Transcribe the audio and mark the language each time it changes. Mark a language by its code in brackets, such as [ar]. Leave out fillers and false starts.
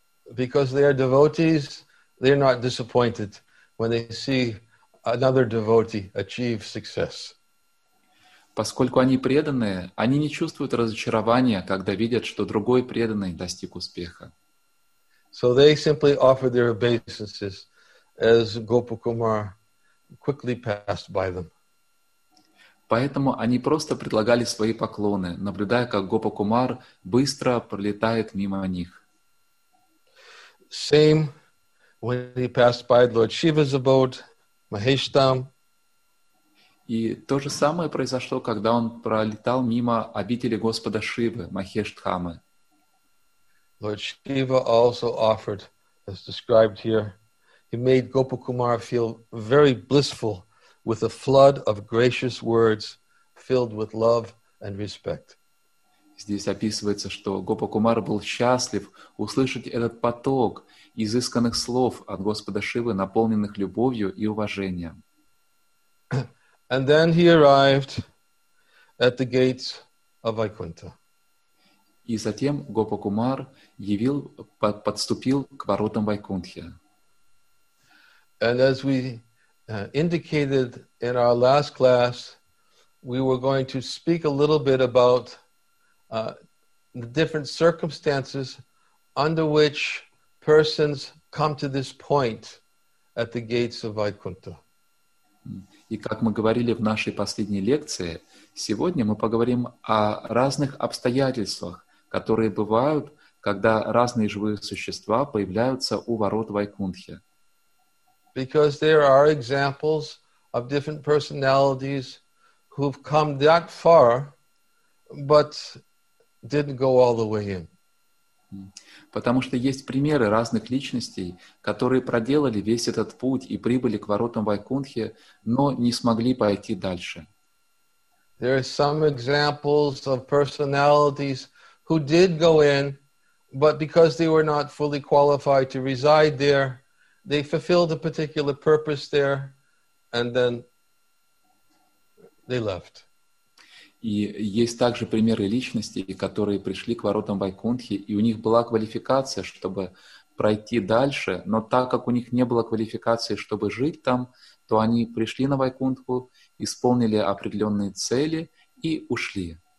[en] Because they are devotees, they are not disappointed when they see another devotee achieve success. [ru] Поскольку они преданные, они не чувствуют разочарования, когда видят, что другой преданный достиг успеха. [en] So they simply offered their obeisances as Gopakumar quickly passed by them. [ru] Поэтому они просто предлагали свои поклоны, наблюдая, как Гопакумар быстро пролетает мимо них. [en] Same when he passed by Lord Shiva's abode, Maheshtham. [ru] И то же самое произошло, когда он пролетал мимо обители Господа Шивы, Махештхамы. [en] Lord Shiva also offered, as described here, he made Gopakumara feel very blissful with a flood of gracious words filled with love and respect. [ru] Здесь описывается, что Гопакумара был счастлив услышать этот поток изысканных слов от Господа Шивы, наполненных любовью и уважением. [en] And then he arrived at the gates of Vaikuntha. [ru] И затем Гопакумар явил, подступил к воротам Вайкунтхи. [en] And as we indicated in our last class, we were going to speak a little bit about the different circumstances under which persons come to this point at the gates of Vaikuntha. [ru] И как мы говорили в нашей последней лекции, сегодня мы поговорим о разных обстоятельствах, которые бывают, когда разные живые существа появляются у ворот Вайкунтхи. [en] Because there are examples of different personalities who've come that far, but didn't go all the way in. [ru] Потому что есть примеры разных личностей, которые проделали весь этот путь и прибыли к воротам Вайкунтхи, но не смогли пойти дальше. [en] There are some examples of personalities who did go in, but because they were not fully qualified to reside there, they fulfilled a particular purpose there, and then they left. [ru] И есть также примеры личностей, которые пришли к воротам Вайкунтхи, и у них была квалификация, чтобы пройти дальше, но так как у них не было квалификации, чтобы жить там, то они пришли на Вайкунтху, исполнили определенные цели и ушли.